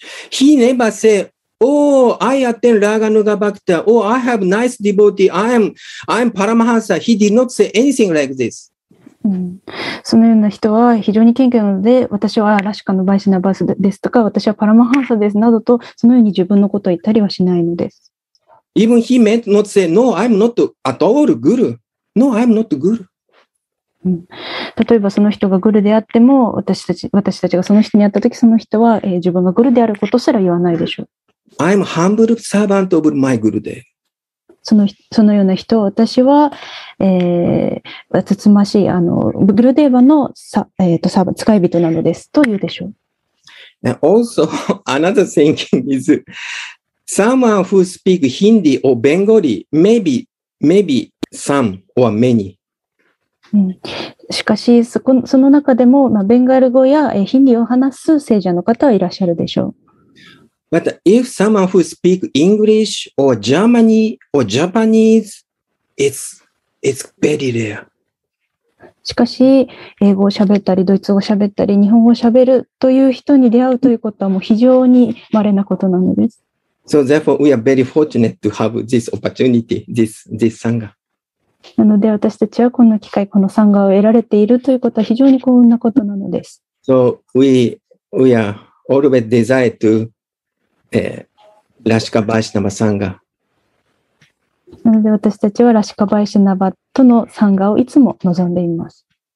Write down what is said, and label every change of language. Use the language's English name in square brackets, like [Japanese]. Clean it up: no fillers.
[English] He never said,Oh, I attend Raghunuga Bhakta. Oh, I have nice devotee. I'm Paramahansa. He did not say anything like this.、 [Japanese] うん、そのような人は非常に謙虚なので、私はラシカのバイシナバスですとか、私はパラマハンサですなどと、そのように自分のことを言ったりはしないのです。 [English] Even he meant not say, No, I'm not at all guru. No, I'm not guru. [Japanese] うん、例えばその人がグルであっても私たちがその人に会ったときその人は、自分がグルであることすら言わないでしょう。 [English] I'm humble servant of my Gurudev. [Japanese] そのような人私は、つつましいグルデーヴァのさ、サーバ使い人なのですと言うでしょう。 [English] And also another thinking is someone who speaks Hindi or Bengali maybe some or many. [Japanese] うん、しかし その中でも、まあ、ベンガル語やヒンディを話す聖者の方はいらっしゃるでしょう。 [English] But if someone who speaks English or Germany or Japanese, it's very rare. [Japanese] しかし、英語をしゃべったり、ドイツ語をしゃべったり、日本語をしゃべるという人に出会うということはもう非常に稀なことなのです。 [English] So therefore, we are very fortunate to have this opportunity, this Sangha. [Japanese] なので私たちはこの機会このサンガを得られているということは非常に幸運なことなのです。 [English] So we are always desire to ラシカバイシナバサンガ。 [Japanese] なので私たちはラシカバイシナバとのサンガをいつも望んでいます。